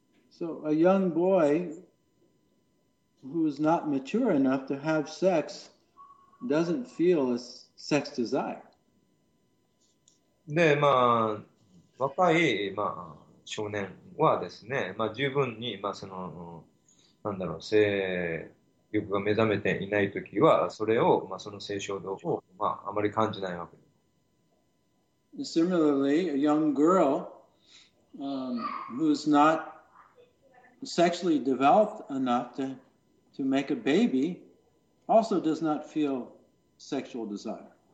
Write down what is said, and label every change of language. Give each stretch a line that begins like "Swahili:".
English: So a young boy who is not mature enough to have sex doesn't feel a sex desire.
Japanese: で、まあ、若い、まあ、少年はですね、まあ、十分に、まあ、その、なんだろう、性欲が目覚めていないときは、それを、まあ、その性衝動を、まあ、あまり感じないわけです。
English: Similarly, a young girlwho's not sexually developed enough to make a baby also does not feel sexual desire.